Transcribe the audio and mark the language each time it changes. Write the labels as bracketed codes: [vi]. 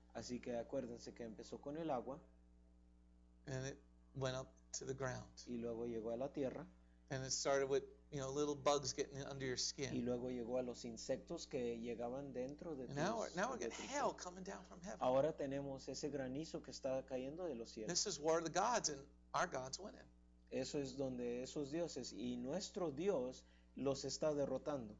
[es] Así que acuérdense que empezó con el agua. [en] And it went up to the ground. [es] Y luego llegó a la tierra. [en] And it started with, you know, little bugs getting under your skin. [es] Y luego llegó a los insectos que llegaban dentro de tus. [en] Now we're getting hail coming down from heaven. [es] Ahora tenemos ese granizo que está cayendo de los cielos. [en] This is war of the gods, and our gods win it. [es] Eso es donde esos dioses y nuestro Dios los está derrotando.